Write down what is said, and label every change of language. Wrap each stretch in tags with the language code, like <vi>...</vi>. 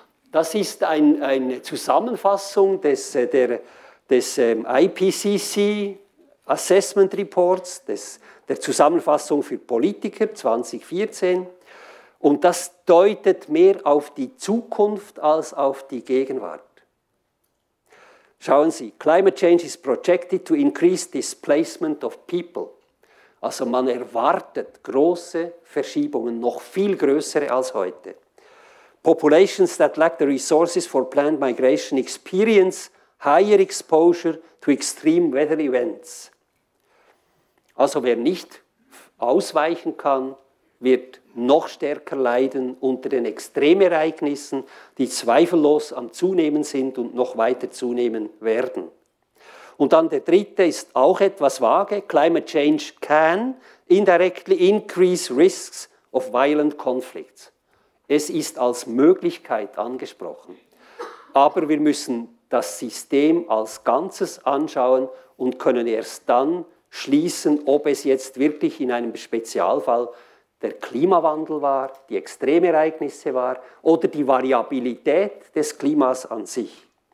<de>Das ist eine Zusammenfassung des IPCC Assessment Reports, der Zusammenfassung für Politiker 2014. Und das deutet mehr auf die Zukunft als auf die Gegenwart. Schauen Sie,</de> <en>Climate Change is projected to increase displacement of people.</en> <de>Also man erwartet große Verschiebungen, noch viel größere als heute.</de> <en>Populations that lack the resources for planned migration experience higher exposure to extreme weather events.</en> <de>Also wer nicht ausweichen kann, wird noch stärker leiden unter den Extremereignissen, die zweifellos am Zunehmen sind und noch weiter zunehmen werden. Und dann der dritte ist auch etwas vage.</de> <en>Climate change can indirectly increase risks of violent conflicts.</en> <de>Es ist als Möglichkeit angesprochen. Aber wir müssen das System als Ganzes anschauen und können erst dann schließen, ob es jetzt wirklich in einem Spezialfall der Klimawandel war, die Extremereignisse war oder die Variabilität des Klimas an sich.</de>